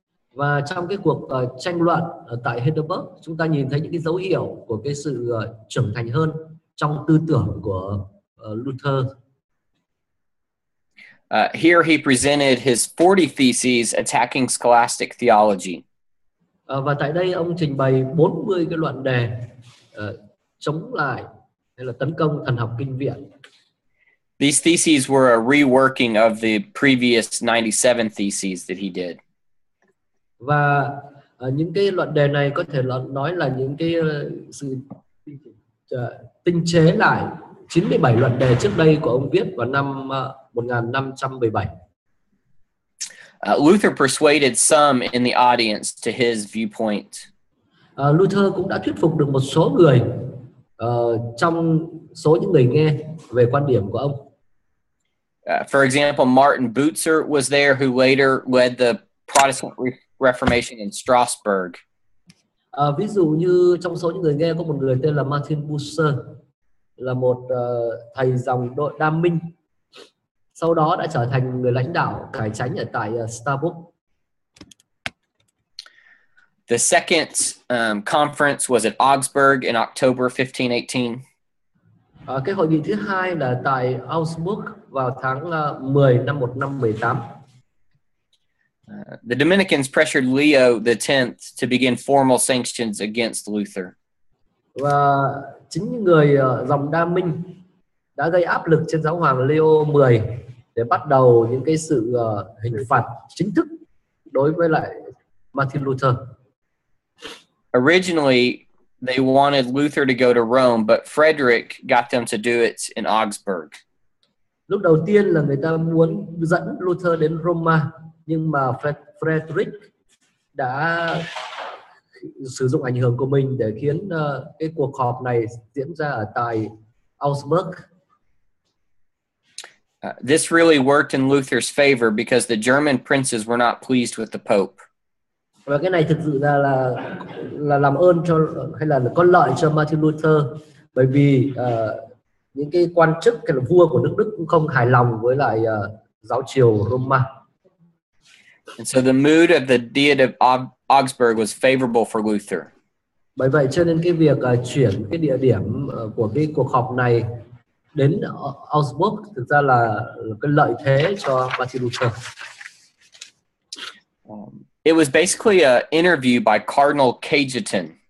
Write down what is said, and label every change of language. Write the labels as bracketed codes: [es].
[vi] Và trong cái cuộc tranh luận tại Heidelberg, chúng ta nhìn thấy những cái dấu hiệu của cái sự trưởng thành hơn trong tư tưởng của Luther. [en] Here he presented his 40 theses attacking scholastic theology. [vi] Và tại đây ông trình bày 40 cái luận đề chống lại hay là tấn công thần học kinh viện. [en] These theses were a reworking of the previous 97 theses that he did. [vi] Và những cái luận đề này có thể nói là những cái sự tinh chế lại 97 luận đề trước đây của ông viết vào năm 1517. [en] Luther persuaded some in the audience to his viewpoint. [vi] Luther cũng đã thuyết phục được một số người trong số những người nghe về quan điểm của ông. [en] For example, Martin Bucer was there, who later led the Protestant Reformation in Strasbourg. [vi] Ví dụ như trong số những người nghe có một người tên là Martin Bucer, là một thầy dòng đội Đa Minh. Sau đó đã trở thành người lãnh đạo cải chánh ở tại Starbucks. [en] The second conference was at Augsburg in October 1518. [vi] Cái hội nghị thứ hai là tại Augsburg vào tháng 10 năm 1518. [en] The Dominicans pressured Leo the 10th to begin formal sanctions against Luther. [vi] Và chính người dòng Đa Minh đã gây áp lực trên giáo hoàng Leo 10 để bắt đầu những cái sự hình phạt chính thức đối với lại Martin Luther. [en] Originally, they wanted Luther to go to Rome, but Frederick got them to do it in Augsburg. [vi] Lúc đầu tiên là người ta muốn dẫn Luther đến Roma, nhưng mà Frederick đã sử dụng ảnh hưởng của mình để khiến cái cuộc họp này diễn ra ở tại Augsburg. [en] This really worked in Luther's favor because the German princes were not pleased with the Pope. [vi] Và cái này thực sự là làm ơn cho hay là có lợi cho Martin Luther, bởi vì những cái quan chức hay là vua của nước Đức cũng không hài lòng với lại giáo triều Roma. [en] And so the mood of the Diet of Augsburg was favorable for Luther. [vi] Bởi vậy cho nên cái việc chuyển cái địa điểm của cái cuộc họp này đến Augsburg thực ra là cái lợi thế cho Martin Luther. [en] It was basically an interview by Cardinal Cajetan.